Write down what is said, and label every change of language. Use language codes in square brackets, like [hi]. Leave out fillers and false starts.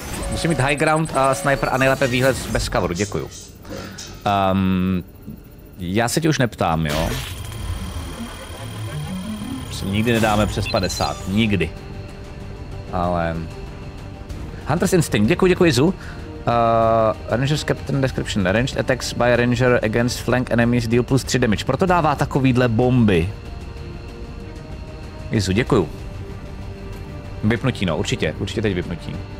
[cs] Musím mít high ground a sniper a nejlépe výhled bez coveru, děkuju. Já se tě už neptám, jo? Nikdy nedáme přes 50, nikdy. Ale... Hunter's Instinct, děkuji Zu. [en] Ranger's Captain Description, ranged attacks by ranger against flank enemies deal plus 3 damage. [cs] Proto dává takovýhle bomby. Izu, děkuju. Vypnutí, no, určitě teď vypnutí.